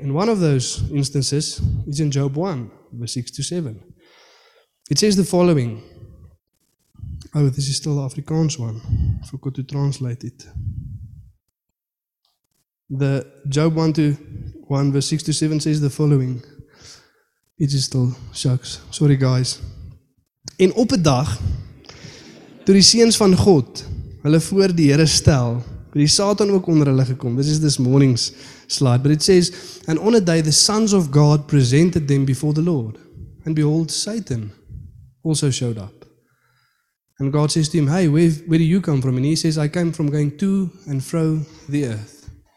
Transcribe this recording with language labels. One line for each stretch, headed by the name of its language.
English: And one of those instances is in Job 1, verse 6 to 7. It says the following. Oh, this is still the Afrikaans one. I forgot to translate it. The Job 1 to 1 verse 6 to 7 says the following. It is still shucks. Sorry guys.
Afrikaans: En op 'n dag toe die seuns van God hulle voor die Here stel, het die Satan ook onder hulle gekom.
English: This is this morning's slide, but it says, and on a day the sons of God presented them before the Lord, and behold, Satan also showed up. And God says to him, hey, where do you come from? And he says, I came from going to and fro the earth.